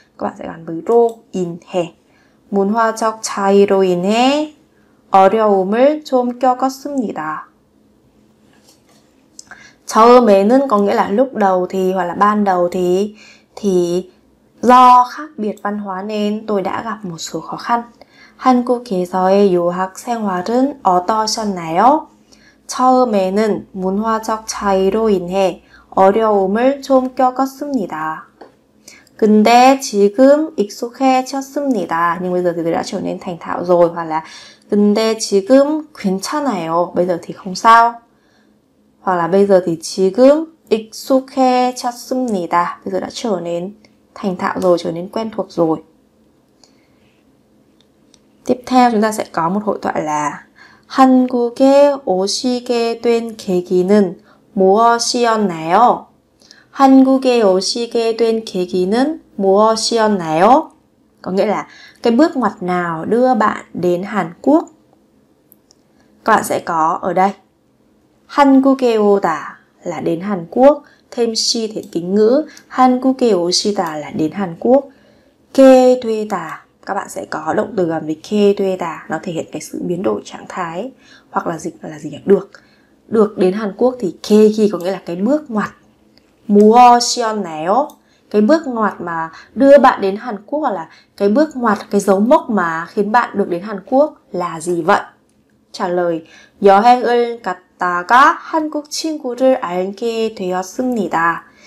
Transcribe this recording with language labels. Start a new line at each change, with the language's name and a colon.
Vietnamese: Các bạn sẽ gắn với
Korean: 으로 인해 문화적 차이로 인해 어려움을 좀 겪었습니다. 처음에는
Vietnamese: có nghĩa là lúc đầu thì hoặc là ban đầu thì do khác biệt văn hóa nên tôi đã gặp một số khó khăn.
Korean: 한국에서의 유학 생활은 어떠셨나요? 처음에는 문화적 차이로 인해 어려움을 좀 겪었습니다. 근데 지금 익숙해졌습니다.
Vietnamese: Nhưng bây giờ thì tôi đã trở nên thành thạo rồi. Hoặc là
Korean: 근데 지금 괜찮아요.
Vietnamese: Bây giờ thì không sao. Hoặc là bây giờ thì
Korean: 지금 익숙해졌습니다.
Vietnamese: Bây giờ đã trở nên thành thạo rồi, trở nên quen thuộc rồi. Tiếp theo chúng ta sẽ có một hội thoại là
Korean: 한국에 오시게 된 계기는 무엇이었나요? 한국에 오시게 된 계기는 무엇이었나요?
Vietnamese: có nghĩa là cái bước ngoặt nào đưa bạn đến Hàn Quốc? Các bạn sẽ có ở đây
Korean: 한국에 오다
Vietnamese: là đến Hàn Quốc, thêm 시 thì kính ngữ,
Korean: 한국에 오시다
Vietnamese: là đến Hàn Quốc, 게 되다 các bạn sẽ có động từ gần với 게 되다, nó thể hiện cái sự biến đổi trạng thái hoặc là dịch là gì nhỉ? Được được đến Hàn Quốc thì 계기 có nghĩa là cái bước ngoặt.
Korean: 무엇이었나요?
Vietnamese: Cái bước ngoặt mà đưa bạn đến Hàn Quốc hoặc là cái bước ngoặt, cái dấu mốc mà khiến bạn được đến Hàn Quốc là gì vậy? Trả lời
Korean: 여행을 갔다가 한국 친구를 알게 되었습니다.